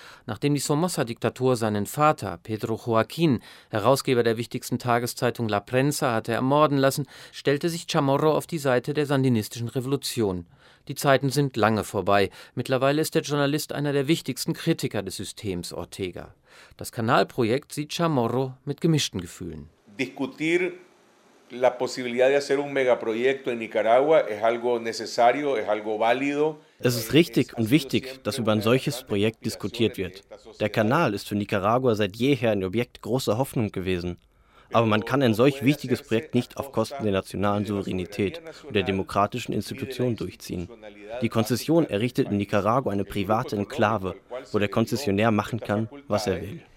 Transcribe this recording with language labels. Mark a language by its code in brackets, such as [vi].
[de] Nachdem die Somoza-Diktatur seinen Vater, Pedro Joaquín, Herausgeber der wichtigsten Tageszeitung La Prensa, hatte ermorden lassen, stellte sich Chamorro auf die Seite der sandinistischen Revolution. Die Zeiten sind lange vorbei. Mittlerweile ist der Journalist einer der wichtigsten Kritiker des Systems Ortega. Das Kanalprojekt sieht Chamorro mit gemischten Gefühlen. Diskutieren. [es] La posibilidad de hacer un megaproyecto en Nicaragua es algo necesario, es algo válido. [de] Es ist richtig und wichtig, dass über ein solches Projekt diskutiert wird. Der Kanal ist für Nicaragua seit jeher ein Objekt großer Hoffnung gewesen. Aber man kann ein solch wichtiges Projekt nicht auf Kosten der nationalen Souveränität und der demokratischen Institutionen durchziehen. Die Konzession errichtet in Nicaragua eine private Enklave, wo der Konzessionär machen kann, was er will.